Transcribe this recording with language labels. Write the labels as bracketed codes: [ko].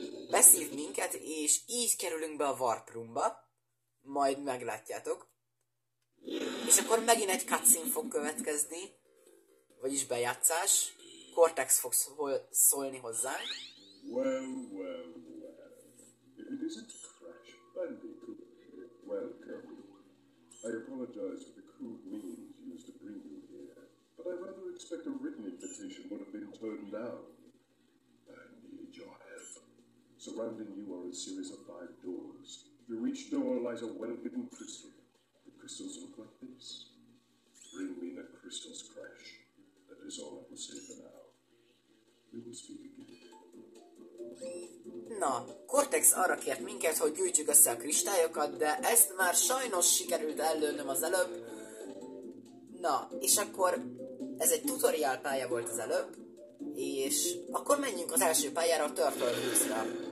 [hu] Beszív minket, és így kerülünk be a Warp Roomba. Majd meglátjátok. És akkor megint egy cutscene fog következni. Vagyis bejátszás. Cortex fog szólni hozzánk. [en] Well, well, well. If it isn't Crash Bandicoot, welcome. I apologize for the crude means used to bring you here, but I rather expect a written invitation would have been turned down. I need your help. Surrounding you are a series of five doors. Through each door lies a well-hidden crystal. The crystals look like this. Bring me the crystals, Crash. That is all I will say for now. We will speak again. [hu] Na, Cortex arra kért minket, hogy gyűjtjük össze a kristályokat, de ezt már sajnos sikerült ellőnöm az előbb. Na, és akkor ez egy tutorial pálya volt az előbb, és akkor menjünk az első pályára, a Turtle.